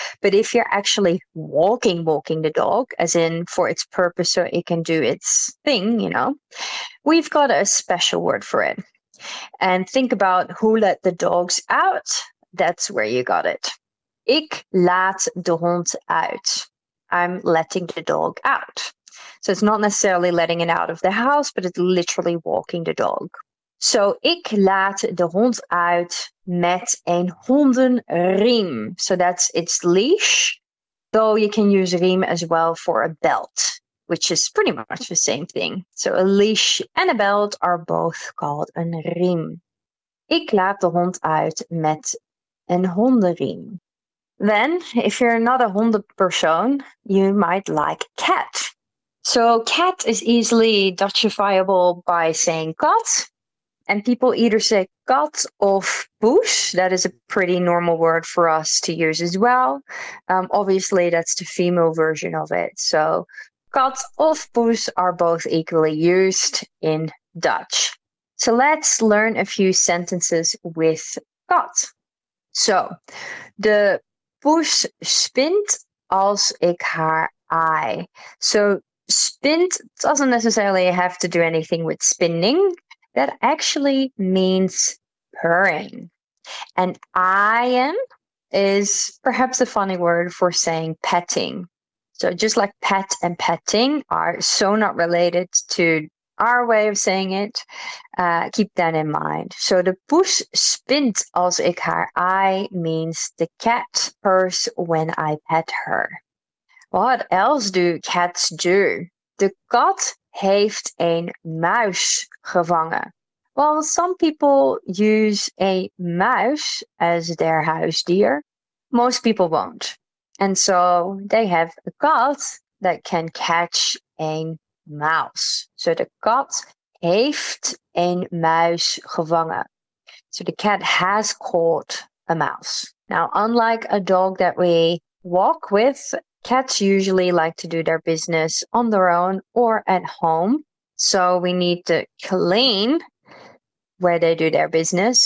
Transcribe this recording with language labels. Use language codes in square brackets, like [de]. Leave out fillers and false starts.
[en] But if you're actually walking the dog, as in for its purpose so it can do its thing, you know, we've got a special word for it. And think about who let the dogs out. That's where you got it. [nl] Ik laat de hond uit. [en] I'm letting the dog out. So it's not necessarily letting it out of the house, but it's literally walking the dog. [nl] So, ik laat de hond uit met een hondenriem. [en] So, that's its leash. Though you can use riem as well for a belt, which is pretty much the same thing. So, a leash and a belt are both called een riem. [nl] Ik laat de hond uit met een hondenriem. [en] Then, if you're not a hondenpersoon, you might like cat. So, cat is easily Dutchifiable by saying kat. And people either say kat of poes. That is a pretty normal word for us to use as well. Obviously, that's the female version of it. So Cat of poes are both equally used in Dutch. So let's learn a few sentences with cat. [nl] So, de poes spint als ik haar ei. [en] So, spint doesn't necessarily have to do anything with spinning. That actually means purring. And eyen is perhaps a funny word for saying petting. So just like pet and petting are so not related to our way of saying it, keep that in mind. So [nl] de poes spint als ik haar ei [en] means the cat purrs when I pet her. What else do cats do? [nl] De kat heeft een muis gevangen. [en] Well, some people use a muis as their huisdier. Most people won't. And so they have a cat that can catch a mouse. [nl] So the cat heeft een muis gevangen. [en] So the cat has caught a mouse. Now, unlike a dog that we walk with, cats usually like to do their business on their own or at home. So we need to clean where they do their business.